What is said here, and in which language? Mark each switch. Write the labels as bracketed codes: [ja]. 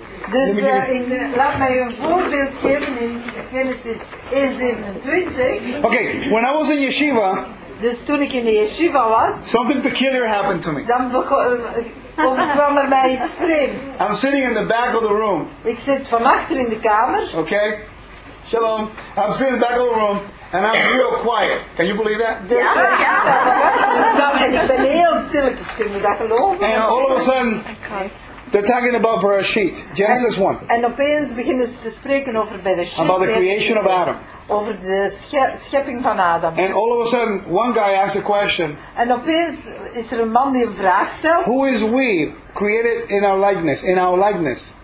[nl] Dus laat mij een voorbeeld geven in Genesis 1:27. [en] Okay, when I was in yeshiva. [nl] Dus toen ik in de yeshiva was. [en] Something peculiar happened to me. [nl] Dan overkwam er mij iets vreemds. [en] I'm sitting in the back of the room. [nl] Ik zit van achter in de kamer. [en] Okay, shalom. I'm sitting in the back of the room and I'm real quiet. Can you believe that? [nl] Ja. Ja. En ik ben heel stilletjes. Kun je dat geloven? [en] And all of a sudden. They're talking about Bereshit, Genesis 1. [nl] En opeens beginnen ze te spreken over Bereshit. [en] About the creation of Adam. [nl] Over de schepping van Adam. [en] And all of a sudden, one guy asks a question. [nl] En opeens is er een man die een vraag stelt. [en] Who is we created in our likeness?